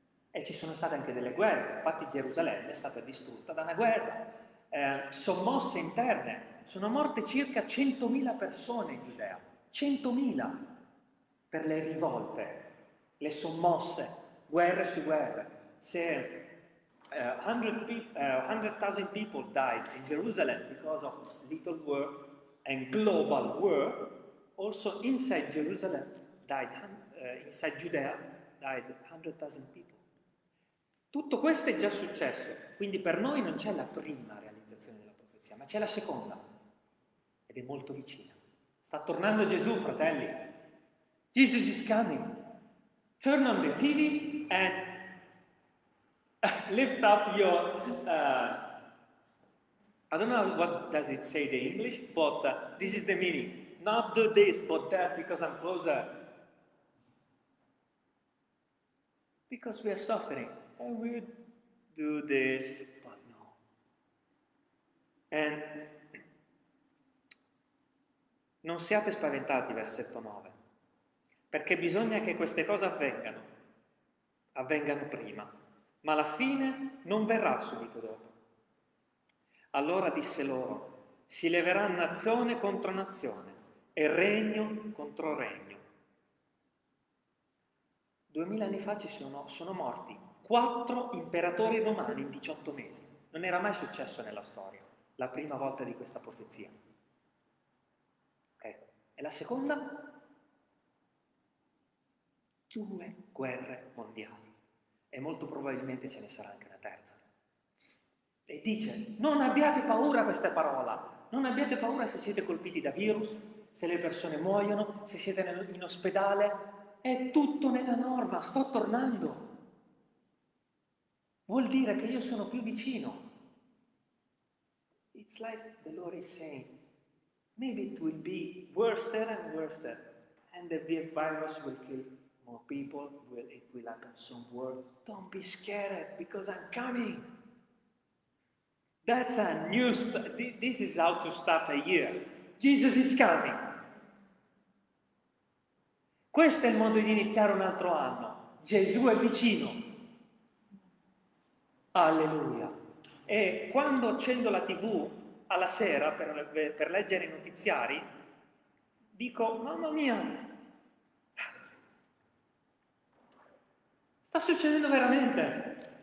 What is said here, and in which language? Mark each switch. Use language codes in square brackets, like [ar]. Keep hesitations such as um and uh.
[it] E ci sono state anche delle guerre, infatti Gerusalemme è stata distrutta da una guerra, eh, sommosse interne, sono morte circa 100.000 persone in Giudea, 100.000 per le rivolte, le sommosse, guerre su guerre. [en] Se uh, 100,000 pe- uh, 100,000 people died in Jerusalem because of little war and global war, also inside Jerusalem died, uh, inside Giudea died 100,000 people. [it] Tutto questo è già successo, quindi per noi non c'è la prima realizzazione della profezia, ma c'è la seconda ed è molto vicina. Sta tornando Gesù, fratelli. [en] Jesus is coming. Turn on the TV and lift up your. Uh, I don't know what does it say in English, but uh, this is the meaning. Not do this, but that, because I'm closer. Because we are suffering, and we do this, but no. [it] And non siate spaventati, versetto 9, perché bisogna che queste cose avvengano, avvengano prima, ma la fine non verrà subito dopo. Allora disse loro, si leverà nazione contro nazione e regno contro regno. Duemila anni fa ci sono, sono morti quattro imperatori romani in 18 mesi. Non era mai successo nella storia, la prima volta di questa profezia. E la seconda? Due guerre mondiali. E molto probabilmente ce ne sarà anche una terza. E dice, non abbiate paura questa parola, non abbiate paura se siete colpiti da virus, se le persone muoiono, se siete in ospedale, è tutto nella norma, sto tornando. Vuol dire che io sono più vicino. [en] It's like the Lord is saying, maybe it will be worse and worse, and the vi- virus will kill more people, will, it will happen somewhere. Don't be scared because I'm coming. That's a new, st- thi- this is how to start a year. Jesus is coming. [it] Questo è il modo di iniziare un altro anno. Gesù è vicino. Alleluia. E quando accendo la tv alla sera per, per leggere i notiziari, dico, mamma mia, sta succedendo veramente.